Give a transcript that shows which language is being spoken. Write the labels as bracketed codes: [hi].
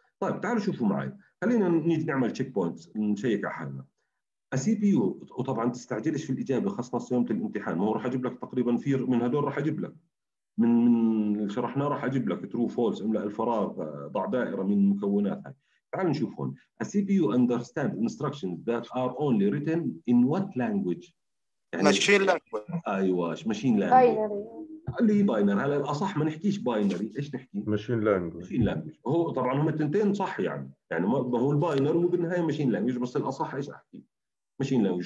[ar] طيب تعالوا شوفوا معي، خلينا نيجي نعمل تشيك بوينتس نشيك على حالنا. CPU، وطبعا تستعجلش في الإجابة خاصة يوم الامتحان، ما هو راح أجيب لك تقريبا فير من هدول، راح أجيب لك من اللي شرحناه راح اجيب لك ترو فولس، املأ الفراغ، ضع دائره من مكونات هاي. تعال نشوف هون. [en] A CPU understand instructions that are only written in what language؟ [ar] يعني ماشين لانجويج. ايوه ماشين لانجويج. باينري. اللي هي باينري، هلا الاصح ما نحكيش باينري، ايش نحكي؟ ماشين لانجويج. ماشين لانجويج. هو طبعا هم التنتين صح يعني، يعني ما هو الباينري وبالنهايه ماشين لانجويج، بس الاصح ايش احكي؟ ماشين لانجويج.